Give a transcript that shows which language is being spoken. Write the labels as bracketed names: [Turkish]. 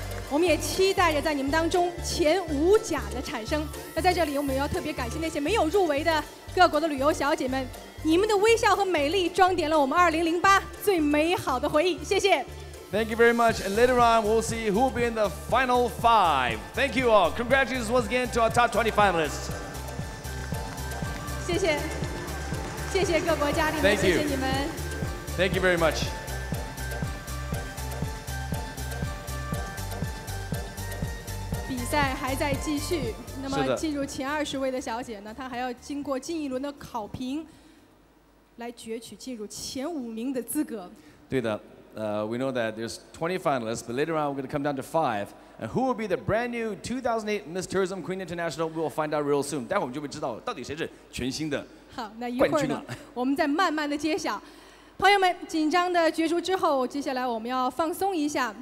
[Chinese] 我们也期待着在你们当中前五甲的产生。那在这里，我们要特别感谢那些没有入围的各国的旅游小姐们，你们的微笑和美丽装点了我们2008最美好的回忆。谢谢。 [English] Thank you very much. And later on, we'll see who will be in the final five. Thank you all. Congratulations once again to our top 20 finalists. [Chinese] 谢谢，谢谢各国家里面，谢谢你们。 [English] Thank you very much. [Chinese] 在还在继续，那么进入前二十位的小姐呢，她还要经过近一轮的考评，来攫取进入前五名的资格。对的， [English] We know that there's 20 finalists, but later on we're going to come down to 5. And who will be the brand new 2008 Miss Tourism Queen International? We will find out real soon. [Chinese] 待会我们就会知道到底谁是全新的冠军了。好，那一会儿呢，我们再慢慢的揭晓。朋友们，紧张的角逐之后，接下来我们要放松一下。